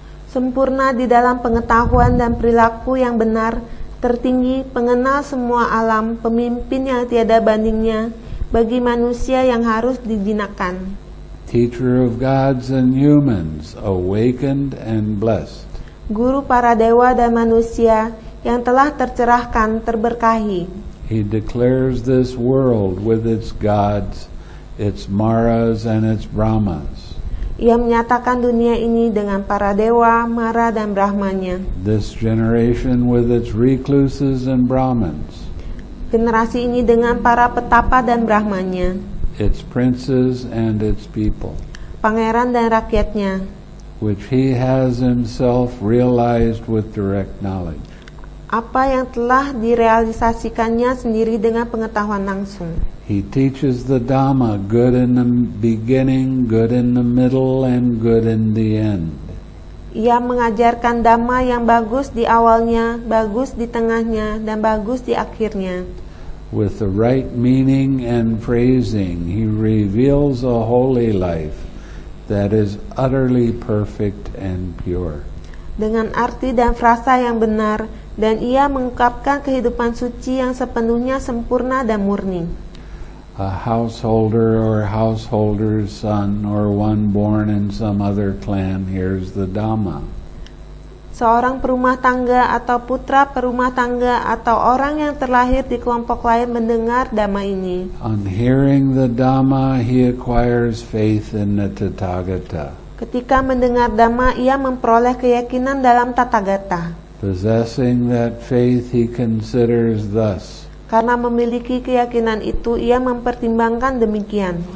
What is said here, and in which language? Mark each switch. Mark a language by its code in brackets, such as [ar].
[id] Sempurna di dalam pengetahuan dan perilaku yang benar, tertinggi, pengenal semua alam, pemimpin yang tiada bandingnya, bagi manusia yang harus dijinakkan. [en] Teacher of gods and humans, awakened and blessed. [id] Guru para dewa dan manusia yang telah tercerahkan, terberkahi. [en] He declares this world with its gods, its maras and its brahmas. [id] Ia menyatakan dunia ini dengan para dewa, mara dan brahmanya. [en] This generation with its recluses and brahmins. [id] Generasi ini dengan para petapa dan brahmanya. [en] Its princes and its people. [id] Pangeran dan rakyatnya. [en] Which he has himself realized with direct knowledge. [id] Apa yang telah direalisasikannya sendiri dengan pengetahuan langsung. [en] He teaches the Dhamma, good in the beginning, good in the middle, and good in the end. [id] Ia mengajarkan Dhamma yang bagus di awalnya, bagus di tengahnya, dan bagus di akhirnya. [en] With the right meaning and phrasing, he reveals a holy life that is utterly perfect and pure. [id] Dengan arti dan frasa yang benar, dan ia mengungkapkan kehidupan suci yang sepenuhnya sempurna dan murni. [en] A householder or householder's son or one born in some other clan hears the Dhamma. [id] Seorang perumah tangga atau putra perumah tangga atau orang yang terlahir di kelompok lain mendengar Dhamma ini. [en] On hearing the Dhamma, he acquires faith in the Tathagata. [id] Ketika mendengar Dhamma, ia memperoleh keyakinan dalam Tathagata. [en] Possessing that faith, he considers thus. [id] Karena memiliki keyakinan itu, ia mempertimbangkan demikian.